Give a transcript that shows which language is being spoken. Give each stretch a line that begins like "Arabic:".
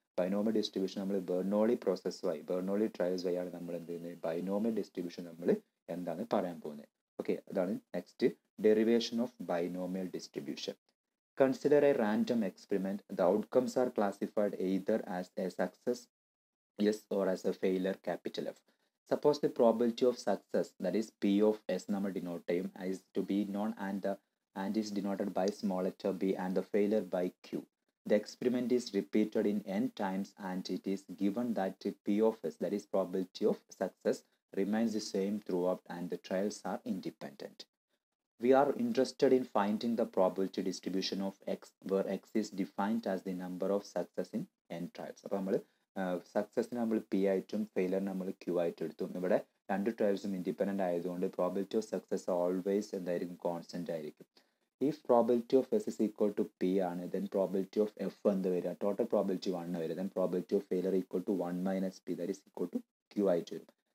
Malayalam: Binomial distribution നമ്മൾ ബെർനോളി process വഴി, ബെർനോളി trials വഴിയാണ് നമ്മൾ എന്ത് ചെയ്യുന്നത്, ബൈനോമിയൽ ഡിസ്ട്രിബ്യൂഷൻ നമ്മൾ എന്താണ് പറയാൻ പോകുന്നത്.
English: Okay, അതാണ് next, derivation of binomial distribution. Consider a random experiment. The outcomes are classified either as a success yes or as a failure capital F. Suppose the probability of success, that is P of S
Malayalam: നമ്മൾ denote ചെയ്യും,
English: is to be known and is denoted by small letter B and the failure by Q. The experiment is repeated in N times and it is given that P of S, that is probability of success, remains the same throughout and the trials are independent. We are interested in finding the probability distribution of X, where X is defined as the number of success in N trials.
Malayalam: അപ്പോൾ നമ്മൾ സക്സസ്സിന് നമ്മൾ P ആയിട്ടും ഫെയിലറിന് നമ്മൾ Q ആയിട്ടും എടുത്തു. ഇവിടെ രണ്ട് ട്രയൽസും independent ആയതുകൊണ്ട് പ്രോബിലിറ്റി ഓഫ് സക്സസ് ഓൾവേസ് എന്തായിരിക്കും, കോൺസ്റ്റൻ്റ് ആയിരിക്കും.
English: if probability of S is equal to P ആണ്, then probability of F
Malayalam: എന്ത് വരിക, ടോട്ടൽ പ്രോബിലിറ്റി 1 വരിക.
English: Then probability of failure equal to 1 - p, that is equal to q ആയിട്ട് വരും.